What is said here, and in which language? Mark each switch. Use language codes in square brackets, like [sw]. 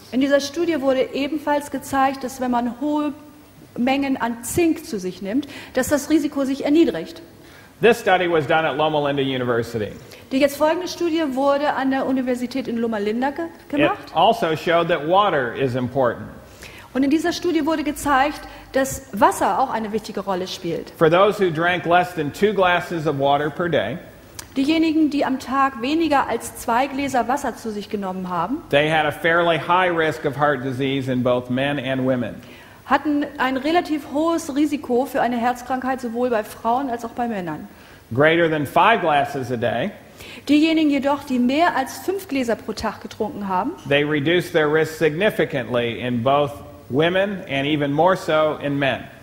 [de] In dieser Studie wurde ebenfalls gezeigt, dass wenn man hohe Mengen an Zink zu sich nimmt, dass das Risiko sich erniedrigt. [en] This study was done at Loma Linda University. [de] Die jetzt folgende Studie wurde an der Universität in Loma Linda gemacht. [en] It also showed that water is important. [de] Und in dieser Studie wurde gezeigt, dass Wasser auch eine wichtige Rolle spielt. [en] For those who drank less than 2 glasses of water per day, [de] diejenigen, die am Tag weniger als 2 Gläser Wasser zu sich genommen haben, [en] they had a fairly high risk of heart disease in both men and women. [de] Hatten ein relativ hohes Risiko für eine Herzkrankheit sowohl bei Frauen als auch bei Männern. [en] Greater than 5 glasses a day, [de] diejenigen jedoch, die mehr als 5 Gläser pro Tag getrunken haben, [en] they reduced their risk significantly in both women and even more so in men.